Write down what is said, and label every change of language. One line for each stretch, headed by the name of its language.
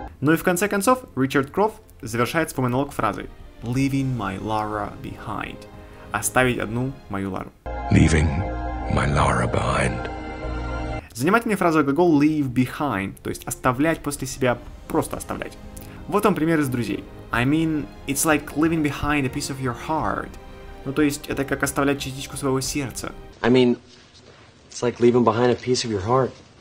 Russian: Ну и в конце концов, Ричард Крофт завершает свой монолог фразой.
English: Leaving my Lara behind.
Russian: Оставить одну мою Лару.
English: Leaving my Lara behind.
Russian: Занимательная фраза глагол leave behind, то есть оставлять после себя, просто оставлять. Вот вам пример из друзей.
English: I mean, it's like leaving behind a piece of your heart.
Russian: Ну то есть это как оставлять частичку своего сердца.
English: I mean, it's like leaving behind a piece of your heart.